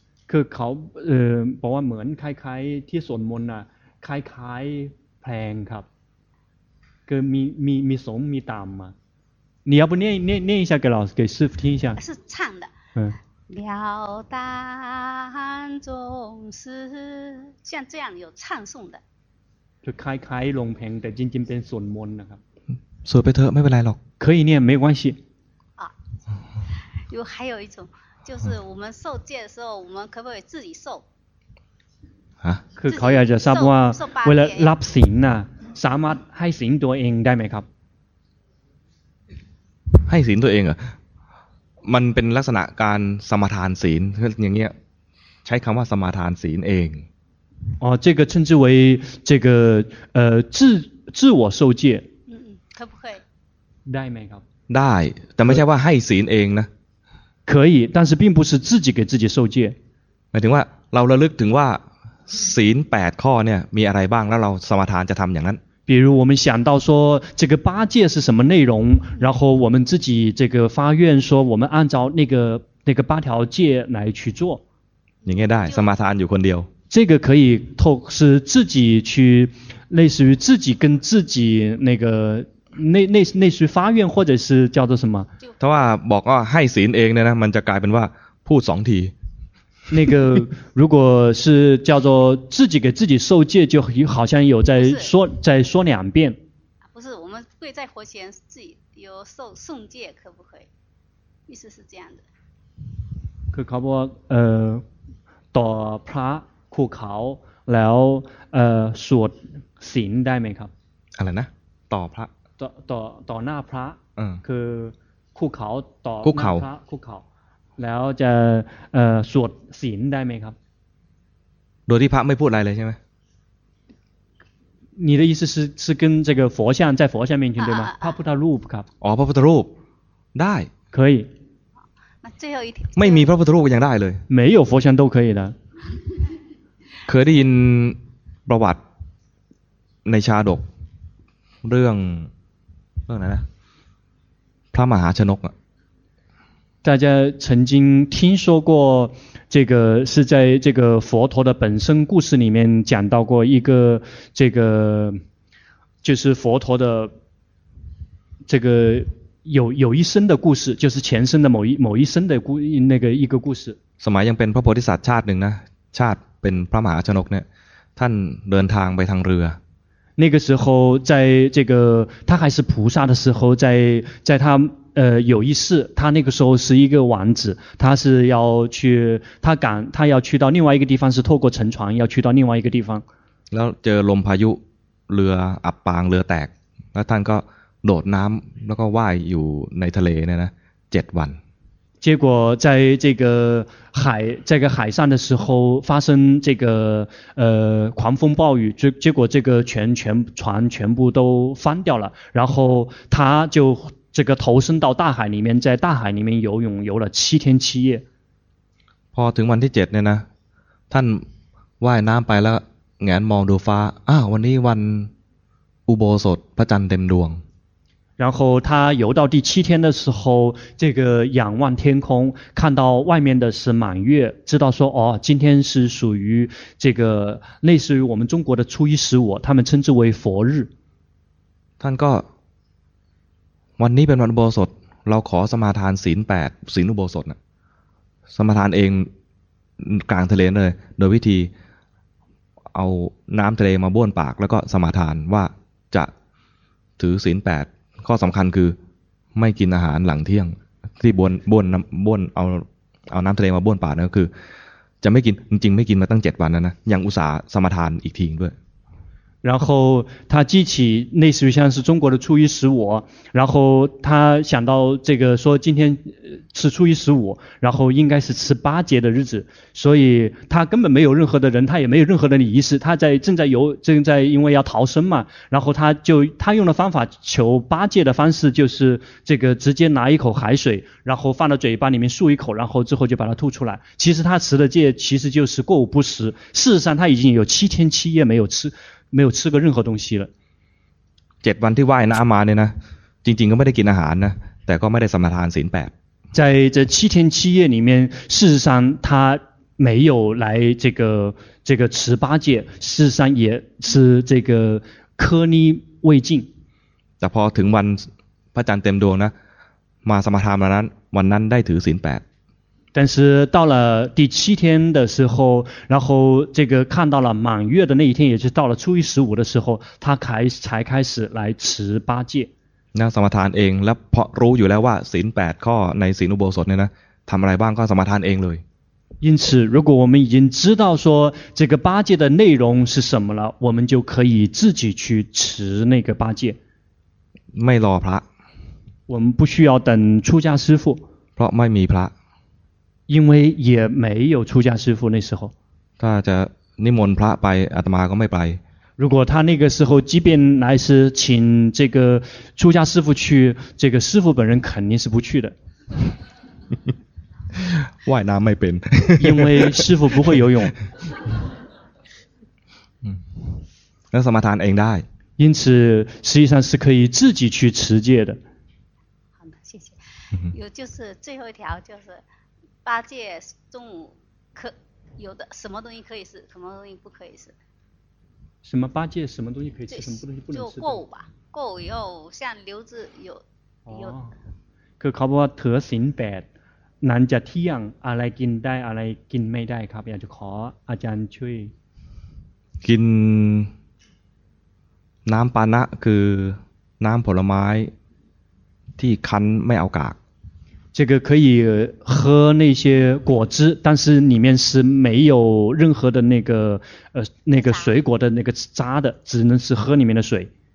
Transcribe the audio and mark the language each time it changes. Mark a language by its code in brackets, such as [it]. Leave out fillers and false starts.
[th] คือเขาบอกว่าเหมือนคล้ายๆที่สวดมนต์อะคล้ายๆแพงครับก็มีสมมีต่ำอ่ะ [zh] 你要不念一下给老师给师父听一下是唱的了当总是像这样有唱诵的 [th] 就คล้ายๆลงแพงแต่จริงๆเป็นสวดมนต์นะครับ สวดไปเถอะไม่เป็นไรหรอก [zh] 可以念没关系啊有还有一种就是我们受戒的时候我们可不可以自己受啊、 [th] คือเขาอยากจะทราบว่าเวลารับศีลน่ะสามารถให้ศีลตัวเองได้ไหมครับ ให้ศีลตัวเองเหรอมันเป็นลักษณะการสมาทานศีลอย่างเงี้ยใช้คำว่าสมาทานศีลเอง [zh] อ๋อ这个称之为这个自我受戒嗯可不可以 [th] ได้ไหมครับ ได้แต่ไม่ใช่ว่าให้ศีลเองนะ [zh] 可以但是并不是自己给自己受戒 [th] หมายถึงว่าเราระลึกถึงว่าศีล8ข้อเนี่ยมีอะไรบ้างแล้วเราสมาทานจะทำอย่างนั้น [zh] 比如我们想到说这个八戒是什么内容然后我们自己这个发愿说我们按照那个八条戒来去做 [th] อย่างนี้ได้สมาทานอยู่คนเดียว [zh] 这个可以透是自己去类似于自己跟自己那个类似于发愿或者是叫做什么 [th] ถ้าว่าบอกว่าให้ศีลเองเนี่ยนะมันจะกลายเป็นว่าพูด2ที [zh] 那个如果是叫做自己给自己受戒就好像有在说两遍不是我们跪在佛前自己有受诵戒可不可以意思是这样的 [th] คือเขาบอกต่อพระคู่เขาแล้วสวดศีลได้ไหมครับ อะไรนะต่อพระ ต่อหน้าพระ คือคู่เขาต่อ คู่เขา คู่เขาแล้วจะสวดศีลได้ไหมครับ โดยที่พระไม่พูดอะไรเลยใช่ไหม [zh] 你的意思是跟这个佛像在佛像面前对吗 [th] พระพุทธรูปครับ อ๋อพระพุทธรูปได้ [zh] 可以那最后一天 [th] ไม่มีพระพุทธรูปยังได้เลย [zh] 没有佛像都可以的 [th] เคยได้ยินประวัติในชาดกเรื่องไหนนะพระมหาชนกอะ [zh] 大家曾经听说过这个是在这个佛陀的本身故事里面讲到过一个这个就是佛陀的这个有一生的故事就是前生的某一生的那个一个故事 [th] สมัยยังเป็นพระโพธิสัตว์ชาติหนึ่งนะชาติเป็นพระมหาชนกเนี่ยท่านเดินทางไปทางเรือ [zh] 那个时候在这个他还是菩萨的时候在他有一世他那个时候是一个王子他是要去他要去到另外一个地方是透过乘船要去到另外一个地方 [th] แล้วเจอลมพายุเรืออับปางเรือแตกแล้วท่านก็โดดน้ำแล้วก็ว่ายอยู่ในทะเลเนี่ยนะ7วัน [zh] 结果在这个海这个海上的时候发生这个狂风暴雨，结果这个船全部都翻掉了，然后他就这个投身到大海里面，在大海里面游泳游了七天七夜。 [th] พอถึงวันที่เจ็ดเนี่ยนะท่านว่ายน้ำไปแล้วแงนมองดูฟ้าวันนี้วันอุโบสถพระจันทร์เต็มดวง [zh] 然后他游到第七天的时候，这个仰望天空，看到外面的是满月，知道说哦，今天是属于这个类似于我们中国的初一十五，他们称之为佛日。 [th] ท่านก็วันนี้เป็นวันอุโบสถเราขอสมาทานศีลแปดศีลอุโบสถสมาทานเองกลางทะเลเลยโดยวิธีเอาน้ำทะเลมาบ้วนปากแล้วก็สมาทานว่าจะถือศีลแปดข้อสำคัญคือไม่กินอาหารหลังเที่ยงที่บ้วนน้ำบ้วนเอาน้ำทะเลมาบ้วนปากนั่นก็คือจะไม่กินจริงๆไม่กินมาตั้งเจ็ดวันแล้วนะยังอุตส่าห์สมาทานอีกทีด้วย [zh] 然后他记起类似于像是中国的初一十五，然后他想到这个说今天是初一十五，然后应该是吃八戒的日子，所以他根本没有任何的人，他也没有任何的仪式，他在正在因为要逃生嘛，然后他用的方法求八戒的方式就是这个直接拿一口海水，然后放到嘴巴里面漱一口，然后之后就把它吐出来。其实他持的戒其实就是过午不食，事实上他已经有七天七夜没有吃过任何东西了。 [th] 7วันที่ว่ายน้ำมาเนี่ยนะจริงๆก็ไม่ได้กินอาหารนะแต่ก็ไม่ได้สมาทานศีล8 [zh] 在这七天七夜里面事实上他没有来这个持八戒事实上也是这个颗粒未尽 [th] แต่พอถึงวันพระจันทร์เต็มดวงนะมาสมาทานวันนั้นได้ถือศีล8 [zh] 但是到了第七天的时候，然后这个看到了满月的那一天，也就是到了初一十五的时候，他才开始来持八戒。 [th] 那สมาทานเองแล้วพอรู้อยู่แล้วว่าศีลแปดข้อในศีลอุโบสถเนี่ยนะทำอะไรบ้างก็สมาทานเองเลย。 [zh] 因此，如果我们已经知道说这个八戒的内容是什么了，我们就可以自己去持那个八戒。 [th] ไม่รอพระ。 [zh] 我们不需要等出家师父。 [th] เพราะไม่มีพระ。 [zh] 因为也没有出家师父那时候 [th] 他จะนิมนต์พระไปอาตมาก็ไม่ไป [zh] 如果他那个时候即便来是请这个出家师父去这个师父本人肯定是不去的 [th] ว่ายน้ำไม่เป็น [zh] 因为师父不会游泳 [th] แล้วสมาทานเองได้ [zh] 因此实际上是可以自己去持戒的好的谢谢有就是最后一条就是八戒中午可有的什么东西可以吃，什么东西不可以吃？什么八戒什么东西可以吃，什么东西不能吃？就过午吧，过午以后像刘子有、 [th] 哦、有。เขาบอกว่าเธอศีลแปดนั้นจะเที่ยงอะไรกินได้อะไรกินไม่ได้ครับอยากจะขออาจารย์ช่วย กินน้ำปานะคือน้ำผลไม้ที่คั้นไม่เอากาก [zh] 这个可以喝那些果汁，但是里面是没有任何的那个水果的那个渣的，只能是喝里面的水。